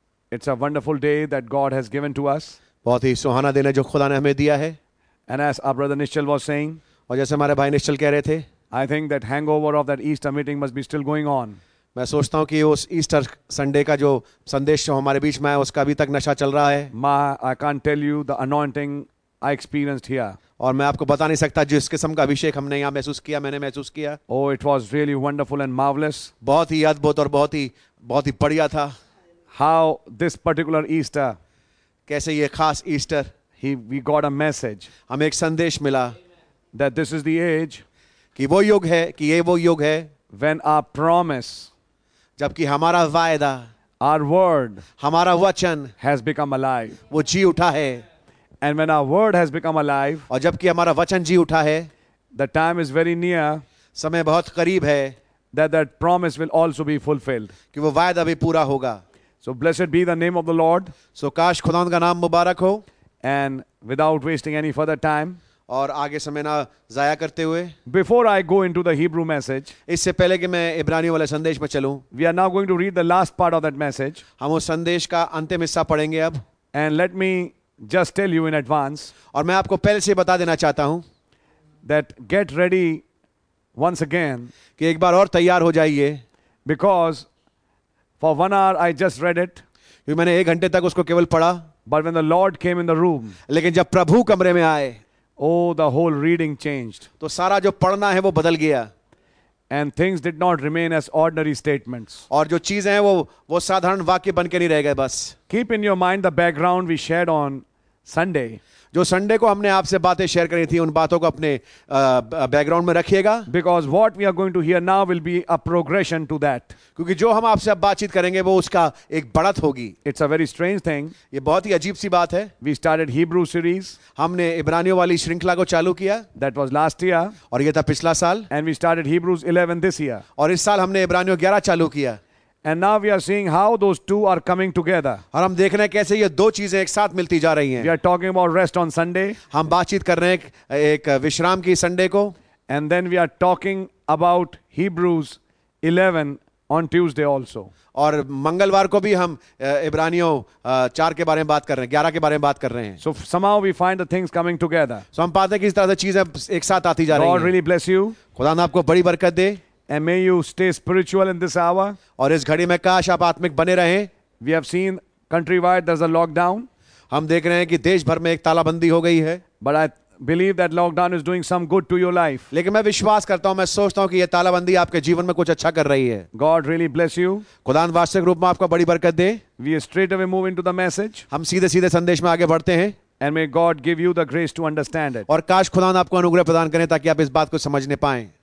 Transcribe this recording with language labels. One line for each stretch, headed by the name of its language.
English: It's a wonderful day that God has given to us.
Hindi: बहुत ही सुहाना दिन है जो खुदा ने हमें दिया है.
English: And as our brother Nishal was saying,
Hindi: और जैसे हमारे भाई निश्चल कह रहे थे,
English: I think that hangover of that Easter meeting must be still going on.
Hindi: मैं सोचता हूँ कि उस ईस्टर संडे का जो संदेश हमारे बीच में है उसका अभी तक नशा चल रहा है.
English: My, I can't tell you the anointing I experienced here.
Hindi: और मैं आपको बता नहीं सकता जिस किस्म का अभिषेक हमने यहाँ महसूस किया, मैंने महसूस किया.
English: Oh, it was really wonderful and marvelous.
Hindi: बहुत ही अद्भुत और बहुत ही बढ़िया था.
English: How this particular Easter?
Hindi: कैसे ये खास Easter?
English: We got a message.
Hindi: हमें एक संदेश मिला.
English: That this is the age.
Hindi: कि वो युग है, कि ये वो युग है.
English: When our promise.
Hindi: जबकि हमारा वायदा.
English: Our word.
Hindi: हमारा वचन.
English: Has become alive.
Hindi: वो जी उठा है.
English: And when our word has become alive,
Hindi: और जबकि हमारा वचन जी उठा है,
English: the time is very near,
Hindi: समय बहुत करीब है,
English: that promise will also be fulfilled,
Hindi: कि वो वायदा भी पूरा होगा.
English: So blessed be the name of the Lord.
Hindi: So काश खुदावंद का नाम मुबारक हो.
English: And without wasting any further time,
Hindi: और आगे समय ना जाया करते हुए,
English: before I go into the Hebrew message,
Hindi: इससे पहले कि मैं इब्रानियों वाले संदेश में चलूं,
English: we are now going to read the last part of that message.
Hindi: हम उस संदेश का अंतिम हिस्सा पढ़ेंगे अब.
English: And let me just tell you in advance,
Hindi: और मैं आपको पहले से बता देना चाहता हूं,
English: that get ready once again,
Hindi: कि एक बार और तैयार हो जाइए,
English: because for 1 hour I just read it,
Hindi: क्योंकि मैंने एक घंटे तक उसको केवल पढ़ा,
English: but when the Lord came in the room,
Hindi: लेकिन जब प्रभु कमरे में आए,
English: oh the whole reading changed,
Hindi: तो सारा जो पढ़ना है वो बदल गया,
English: and things did not remain as ordinary statements,
Hindi: और जो चीजें हैं वो साधारण वाक्य बन के नहीं रह गए बस.
English: Keep in your mind the background we shared on Sunday.
Hindi: जो संडे को हमने आपसे बातें शेयर करी थी उन बातों को अपने बैकग्राउंड में रखिएगा.
English: Because what we are going to hear now will be a progression to that.
Hindi: क्योंकि जो हम आपसे अब बातचीत करेंगे वो उसका एक बढ़त होगी.
English: It's a very strange thing.
Hindi: ये बहुत ही अजीब सी बात है.
English: We started Hebrew series.
Hindi: हमने इब्रानियों वाली श्रृंखला को चालू किया.
English: That was last year.
Hindi: और ये था पिछला साल.
English: And we started Hebrews 11 this year.
Hindi: और इस साल हमने इब्रानियों 11 चालू किया.
English: And now we are seeing how those two are coming together.
Hindi: और हम देख रहे हैं कैसे ये दो चीजें एक साथ मिलती जा रही हैं.
English: We are talking about rest on Sunday.
Hindi: हम बातचीत कर रहे हैं एक विश्राम की संडे को.
English: And then we are talking about Hebrews 11 on Tuesday also.
Hindi: और मंगलवार को भी हम इब्रानियों 4 के बारे में बात कर रहे हैं, 11 के बारे में बात कर रहे हैं.
English: So somehow we find the things coming together.
Hindi: So हम पाते हैं कि इस तरह से चीजें एक साथ आती जा रही हैं.
English: God really bless you.
Hindi: खुदा ने आपको बड़ी बरकत दे.
English: And may you stay spiritual in this hour.
Hindi: और इस घड़ी में काश आप आत्मिक बने रहें.
English: We have seen countrywide there's a lockdown.
Hindi: हम देख रहे हैं कि देश भर में एक तालाबंदी हो गई है.
English: But I believe that lockdown is doing some good to your life.
Hindi: लेकिन मैं विश्वास करता हूं, मैं सोचता हूं कि यह तालाबंदी आपके जीवन में कुछ अच्छा कर रही है.
English: God really bless you.
Hindi: खुदा वास्तविक रूप में आपको बड़ी बरकत दे.
English: We straight away move into the message.
Hindi: हम सीधे सीधे संदेश में आगे बढ़ते हैं.
English: And may God give you the grace to understand it.
Hindi: और काश खुदा आपको अनुग्रह प्रदान करें ताकि आप इस बात को समझने पाएं.